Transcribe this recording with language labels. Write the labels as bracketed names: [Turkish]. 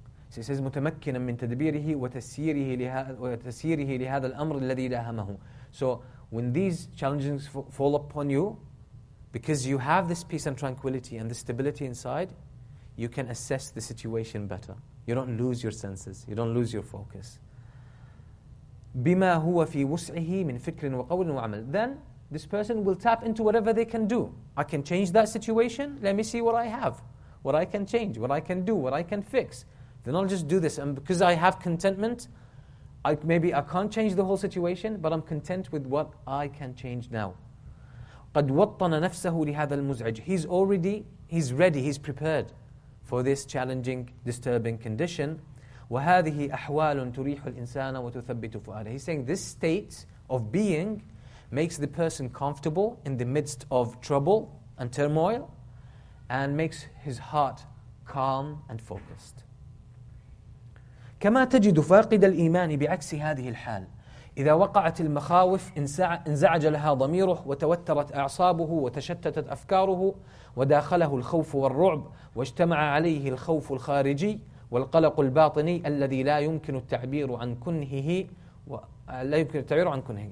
[English] So it says, [Arabic] مُتَمَكِّنًا مِنْ تَدْبِيرِهِ وَتَسِيرِهِ لِهَذَا الْأَمْرِ الَّذِي لَهَمَهُ. [English] So when these challenges fall upon you, because you have this peace and tranquility and the stability inside, you can assess the situation better. You don't lose your senses. You don't lose your focus. [Arabic] بِمَا هُوَ فِي وُسْعِهِ مِنْ فِكْرٍ وَقَوْلٍ وَعَمَلٍ. [English] Then this person will tap into whatever they can do. I can change that situation. Let me see what I have, what I can change, what I can do, what I can fix. Then I'll just do this. And because I have contentment, I can't change the whole situation, but I'm content with what I can change now. [Arabic] قَدْ وَطَّنَ نَفْسَهُ لِهَذَا الْمُزْعِجِ. [English] He's ready, he's prepared for this challenging, disturbing condition. [Arabic] وَهَذِهِ أَحْوَالٌ تُرِيحُ الْإِنسَانَ وَتُثَبِّتُ فُؤَادَهُ. [English] He's saying this state of being makes the person comfortable in the midst of trouble and turmoil and makes his heart calm and focused. [Arabic] كَمَا تَجِدُ فَاقِدَ الْإِيمَانِ بِعَكْسِ هَذِهِ الْحَالِ. إذا وقعت المخاوف انزعج لها ضميره وتوترت أعصابه وتشتتت أفكاره وداخله الخوف والرعب واجتمع عليه الخوف الخارجي والقلق الباطني الذي لا يمكن التعبير عن كنهه لا يمكن التعبير عن كنهه.